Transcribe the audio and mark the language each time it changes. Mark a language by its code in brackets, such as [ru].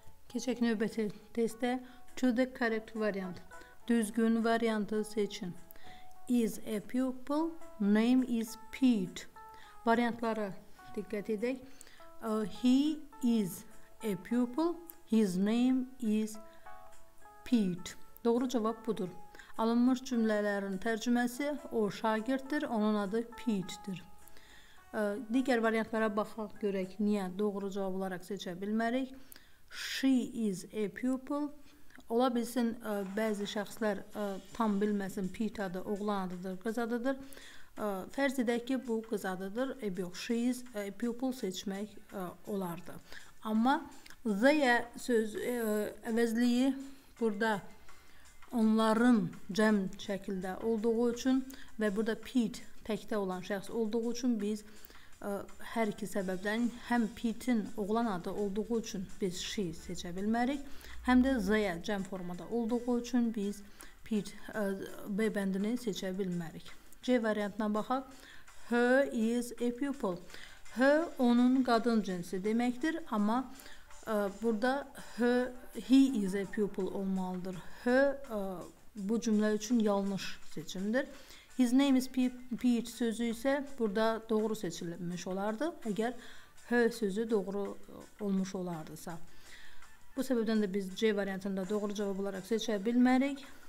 [az] Keçək növbəti testdə çöldək correct variant. Düzgün variantı seçin. [en] Is a pupil, name is Pete. [az] Variantlara diqqət edək. [en] He is a pupil, his name is Pete. [az] Doğru cavab budur. Alınmış cümlələrin tərcüməsi o şagirddir, onun adı Pete'dir. Digər variantlara baxaq görək, niyə doğru cavab olaraq seçə bilmərik. [en] She is a pupil. [az] Ola bilsin, bəzi şəxslər tam bilməsin, Pete adı oğlan adıdır, qız adıdır. Fərz edək ki, bu qız adıdır. [en] She is a pupil [az] seçmək olardı. Amma they söz əvəzliyi burada onların cəm şəkildə olduğu üçün və burada Pete təkdə olan şəxs olduğu üçün biz hər iki səbəbdən həm Pete'in oğlan adı olduğu üçün biz she seçə bilmərik, həm də they cəm formada olduğu üçün biz Pete B bəndini seçə bilmərik. C variantına baxaq. [en] Her is a pupil. [az] Her onun qadın cinsi deməkdir, amma burada [en] he is a pupil [az] olmalıdır. Her bu cümlə üçün yanlış seçimdir. [en] His name is Pete [az] sözü isə burada doğru seçilmiş olardı, əgər her sözü doğru olmuş olardısa. Bu səbəbdən də biz C variantında doğru cavab olaraq seçə bilmərik.